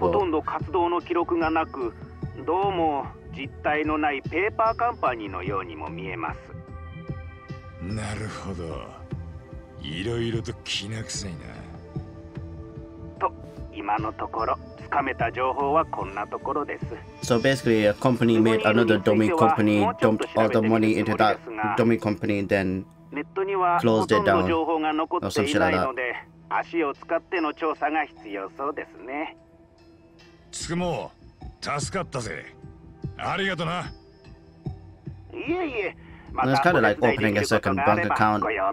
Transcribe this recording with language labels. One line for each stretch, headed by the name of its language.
Japanese: ほとんど活動の記録がなく、どうも実体のないペーパーカンパニーのようにも見えます。なるほど、いろいろと気な臭いな。と、今のところ掴めた情報はこんなところです。
English: So basically, a company made another dummy company, dumped all the money into that dummy company, then
Japanese: ネットにはほとんど情報が残っていないので、足を使っての調査が必要そうですね。つくも、助かったぜ。ありがとな。いえいえ、またお手伝いできることがあればご用